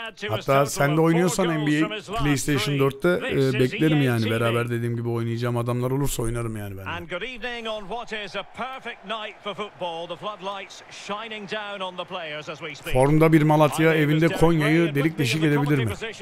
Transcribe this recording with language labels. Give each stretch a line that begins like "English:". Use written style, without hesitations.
Turkish: Hatta sen de oynuyorsan NBA PlayStation 4'te beklerim yani. Beraber dediğim gibi oynayacağım adamlar olursa oynarım yani ben.
English: And good evening on what is a perfect night for football. The floodlights shining down on the players as we speak.
Turkish: Formda bir Malatya, evinde Konya'yı delik deşik edebilir mi?